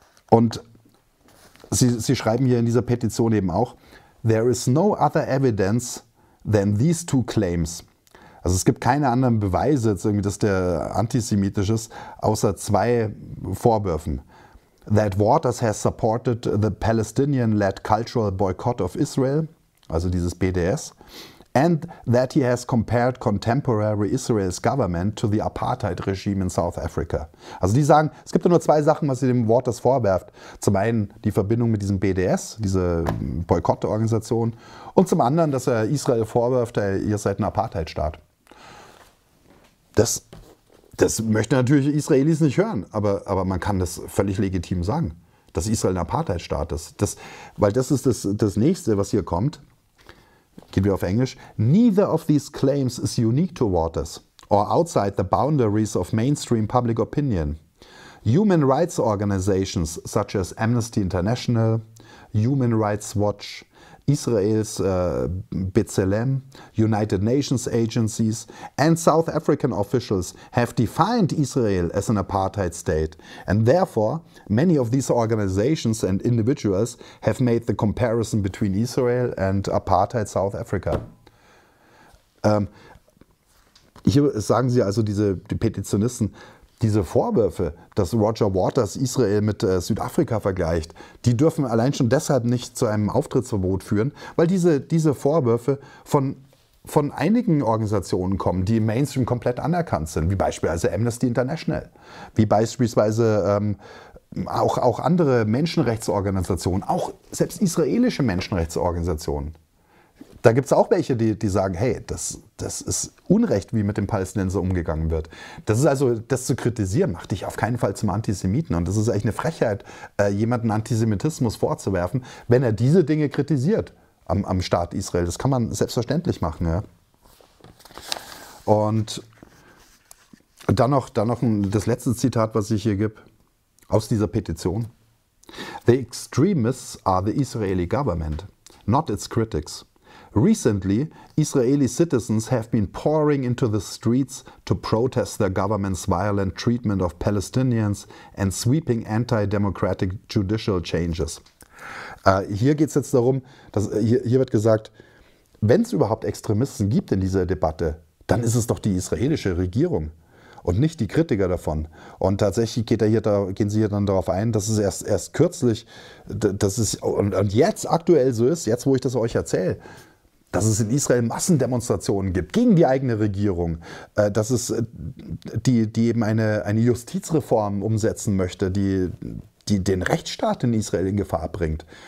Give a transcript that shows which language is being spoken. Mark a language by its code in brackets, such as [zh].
[de] Und Sie schreiben hier in dieser Petition eben auch, [en] there is no other evidence than these two claims. [de] Also es gibt keine anderen Beweise, dass der antisemitisch ist, außer zwei Vorwürfen. [en] That Waters has supported the Palestinian-led cultural boycott of Israel, [de] also dieses BDS, [en] and that he has compared contemporary Israel's government to the apartheid regime in South Africa. [de] Also die sagen, es gibt nur zwei Sachen, was sie dem Waters vorwerft. Zum einen die Verbindung mit diesem BDS, diese Boykottorganisation, und zum anderen, dass er Israel vorwirft, ihr seid ein Apartheid-Staat. Das möchte natürlich Israelis nicht hören, aber man kann das völlig legitim sagen, dass Israel ein Apartheid-Staat ist. Das ist das Nächste, was hier kommt. Geht wieder auf Englisch. [en] Neither of these claims is unique to Waters or outside the boundaries of mainstream public opinion. Human rights organizations such as Amnesty International, Human Rights Watch, Israel's B'Tselem, United Nations agencies, and South African officials have defined Israel as an apartheid state. And therefore, many of these organizations and individuals have made the comparison between Israel and apartheid South Africa. [de] Hier sagen sie also, die Petitionisten, diese Vorwürfe, dass Roger Waters Israel mit Südafrika vergleicht, die dürfen allein schon deshalb nicht zu einem Auftrittsverbot führen, weil diese Vorwürfe von einigen Organisationen kommen, die im Mainstream komplett anerkannt sind, wie beispielsweise Amnesty International, wie beispielsweise auch andere Menschenrechtsorganisationen, auch selbst israelische Menschenrechtsorganisationen. Da gibt es auch welche, die sagen, hey, das ist Unrecht, wie mit dem Palästinenser umgegangen wird. Das ist also, das zu kritisieren, macht dich auf keinen Fall zum Antisemiten. Und das ist eigentlich eine Frechheit, jemanden Antisemitismus vorzuwerfen, wenn er diese Dinge kritisiert am Staat Israel. Das kann man selbstverständlich machen. Ja. Und dann noch das letzte Zitat, was ich hier gebe, aus dieser Petition. [en] The extremists are the Israeli government, not its critics. Recently, Israeli citizens have been pouring into the streets to protest their government's violent treatment of Palestinians and sweeping anti-democratic judicial changes. [de] Hier geht es jetzt darum, dass hier wird gesagt, wenn es überhaupt Extremisten gibt in dieser Debatte, dann ist es doch die israelische Regierung und nicht die Kritiker davon. Und tatsächlich gehen sie hier dann darauf ein, dass es erst kürzlich, dass es, und jetzt aktuell so ist, jetzt wo ich das euch erzähle, dass es in Israel Massendemonstrationen gibt gegen die eigene Regierung, dass es die eben eine Justizreform umsetzen möchte, die den Rechtsstaat in Israel in Gefahr bringt.